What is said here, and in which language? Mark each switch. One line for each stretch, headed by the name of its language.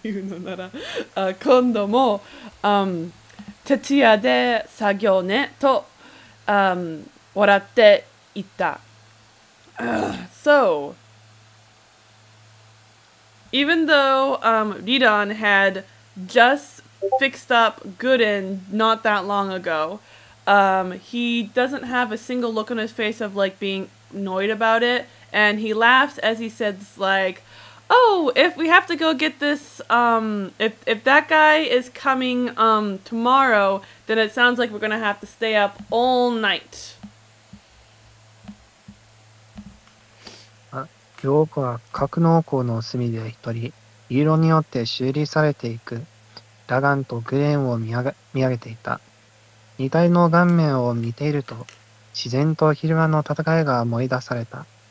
Japanese: のなら、今度も、徹夜で作業ねと、笑っていた。
English: So, even though Ridan had just fixed up Gurren not that long ago, he doesn't have a single look on his face of like being annoyed about it, and he laughs as he says like, oh, if we have to go get this, if that guy is coming tomorrow, then it sounds like we're going to have to stay up all night.
Japanese: ヨークは格納庫の隅で一人、理論によって修理されていく、ラガンとグレンを見上げていた。二体の顔面を見ていると、自然と昼間の戦いが思い出された。